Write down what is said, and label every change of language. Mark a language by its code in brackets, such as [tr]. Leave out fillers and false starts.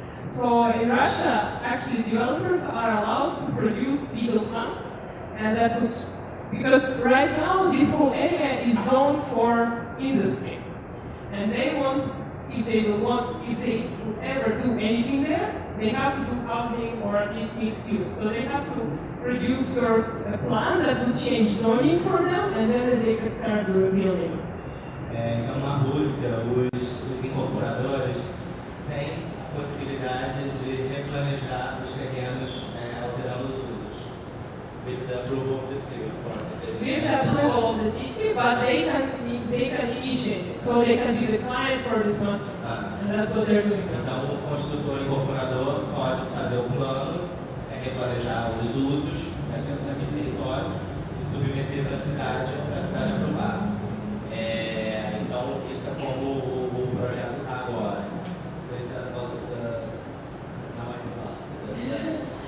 [en] So in Russia, actually, developers are allowed to produce legal plans, and that could, because right now this whole area is zoned for industry, and they want, if they will want, if they will ever do anything there, they have to do housing or at least mixed use. So they have to produce first a plan that would change zoning for them, and then they can start doing building. [pt] Então na Rússia, os incorporadores têm a possibilidade de replanejar os terrenos alterando os usos. [en] With the approval of the city, of course. With the approval of the city, but they can issue. So they can be the client for this master. And that's what they're doing. Então o construtor incorporador pode fazer o plano, replanejar os usos daquele território e submeter para a cidade, aprovar. [pt] Então isso é como o projeto está agora. [en] So it's about the now I can ask the